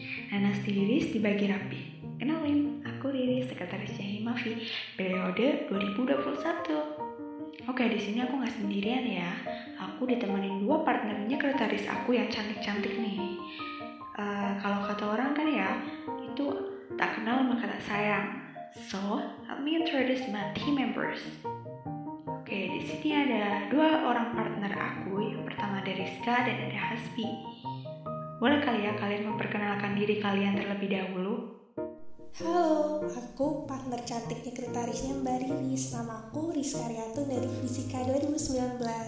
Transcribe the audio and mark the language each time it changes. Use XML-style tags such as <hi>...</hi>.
<id>Nanas diiris dibagi rapi. Kenalin, aku Riri, sekretarisnya Himafi, periode 2021. Oke, di sini aku gak sendirian ya. Aku ditemenin dua partnernya sekretaris aku yang cantik-cantik nih. Kalau kata orang kan ya, itu tak kenal maka tak sayang.</id> <en>So, let me introduce my team members.</en> <id>Oke, di sini ada dua orang partner aku. Yang pertama ada Rizka dan ada Hasbi. Boleh kali ya kalian memperkenalkan diri kalian terlebih dahulu? Halo, aku partner cantik sekretarisnya Mbak Riris. Nama aku Rizka Riatun dari Fisika 2019.</id>